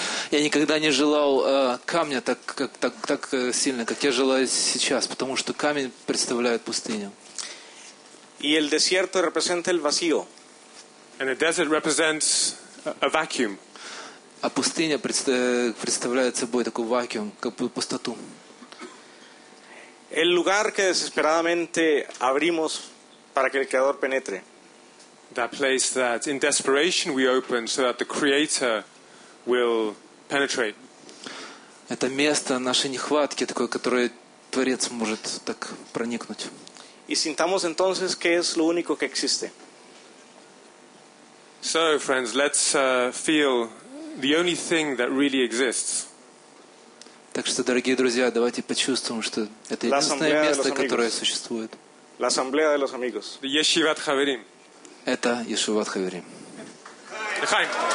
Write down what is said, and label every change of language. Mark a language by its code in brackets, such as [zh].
[ru] Я никогда не желал камня так сильно, как я желаю сейчас, потому что камень представляет пустыню. [es] Y el desierto representa el vacío. [en] And the desert represents a vacuum. [ru] А пустыня представляет собой такой вакуум, как пустоту. [es] El lugar que desesperadamente abrimos para que el creador penetre. [en] That place that in desperation we open so that the creator will penetrate. [ru] Это место нашей нехватки такое, которое творец может так проникнуть. [es] Y sintamos entonces que es lo único que existe. [en] So, friends, let's feel the only thing that really exists. [ru] Так что, дорогие друзья, давайте почувствуем, что это единственное место, которое существует. [es] La asamblea de los amigos. [he] Yeshivat Chaverim. [ru] Это Yeshivat Chaverim. [he] Lechaim.